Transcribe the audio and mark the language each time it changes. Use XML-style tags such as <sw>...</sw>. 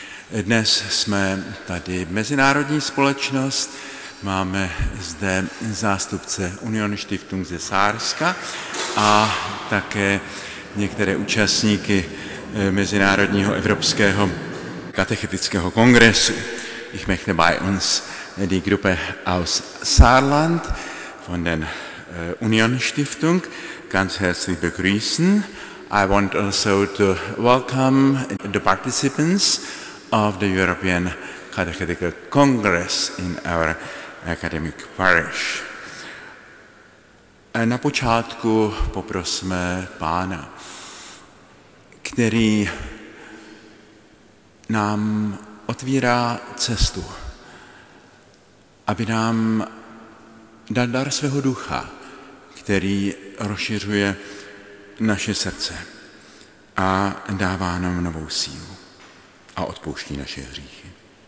<cs>Dnes jsme tady mezinárodní společnost, máme zde zástupce Union Stiftung ze Sárska a také některé účastníky mezinárodního evropského katechetického kongresu.</cs> <de>Ich möchte bei uns die Gruppe aus Saarland von den Union Stiftung ganz herzlich begrüßen.</de> <en>I want also to welcome the participants of the European Catechetical Congress in our academic parish.</en> <cs>Na počátku poprosme Pána, který nám otvírá cestu, aby nám dal dar svého ducha, který rozšiřuje naše srdce a dává nám novou sílu a odpouští naše hříchy.</cs>